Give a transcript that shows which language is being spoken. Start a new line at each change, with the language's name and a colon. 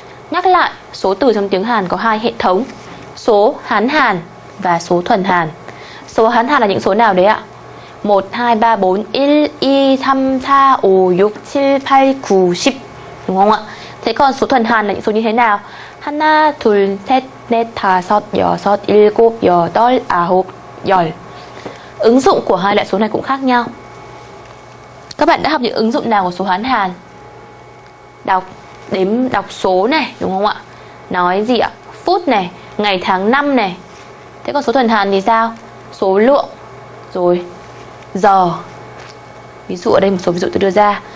Vietnamese: Nhắc lại, số từ trong tiếng Hàn có hai hệ thống: số Hán Hàn và số thuần Hàn. Số Hán Hàn là những số nào đấy ạ? 1, 2, 3, 4, 1, 2, 3, 4, 5, 6, 7, 8, 9, 10. Đúng không ạ? Thế còn số thuần Hàn là những số như thế nào?
Korean: 하나, 둘, 셋, 넷, 다섯, 여섯, 일곱, 여덟, 아홉, 열.
Vietnamese: Ứng dụng của hai loại số này cũng khác nhau. Các bạn đã học những ứng dụng nào của số Hán Hàn? Đọc, đếm, đọc số này, đúng không ạ? Nói gì ạ? Phút này, ngày tháng năm này. Thế còn số thuần Hàn thì sao? Số lượng, rồi giờ. Ví dụ ở đây một số ví dụ tôi đưa ra.